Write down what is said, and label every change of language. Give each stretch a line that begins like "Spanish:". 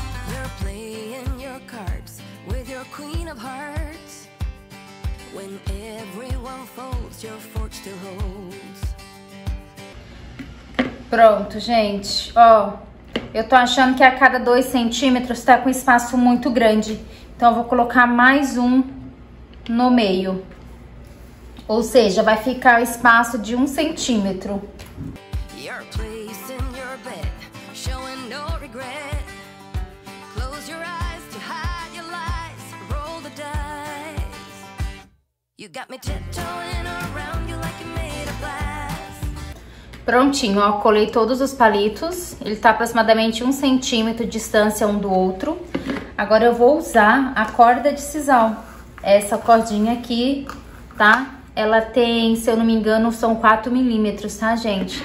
English: You're playing your cards with your queen of hearts. When everyone folds, your fortune still holds.
Portuguese: Pronto, gente, ó. Eu tô achando que a cada 2 centímetros tá com espaço muito grande. Então, eu vou colocar mais um no meio. Ou seja, vai ficar o espaço de 1 centímetro.
English: You're placing your bet, showing no regret. Close your eyes to hide your lies, roll the dice. You got me tiptoeing around you like you made a blast.
Portuguese: Prontinho, ó, colei todos os palitos, ele tá aproximadamente 1 centímetro de distância um do outro. Agora eu vou usar a corda de sisal, essa cordinha aqui, tá? Ela tem, se eu não me engano, são 4 milímetros, tá, gente?